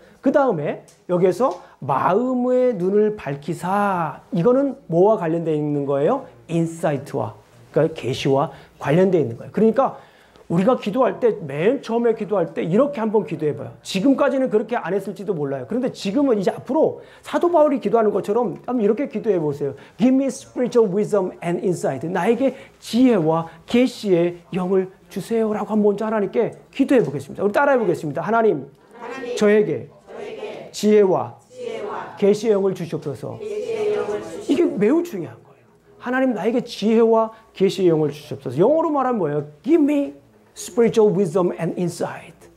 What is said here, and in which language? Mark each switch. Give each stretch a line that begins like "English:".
Korean: 그 다음에 여기에서 마음의 눈을 밝히사, 이거는 뭐와 관련되어 있는 거예요? 인사이트와, 그러니까 계시와 관련되어 있는 거예요. 그러니까 우리가 기도할 때 맨 처음에 기도할 때 이렇게 한번 기도해봐요. 지금까지는 그렇게 안 했을지도 몰라요. 그런데 지금은 이제 앞으로 사도 바울이 기도하는 것처럼 한번 이렇게 기도해보세요.
English: Give me spiritual wisdom and insight.
Korean: 나에게 지혜와 계시의 영을 주세요라고 한번 먼저 하나님께 기도해보겠습니다. 우리 따라해보겠습니다. 하나님, 저에게 지혜와 계시의 영을 주시옵소서. 이게 매우 중요한 거예요. 하나님 나에게 지혜와 계시의 영을 주시옵소서. 영어로 말하면 뭐예요?
English: Give me spiritual wisdom and insight.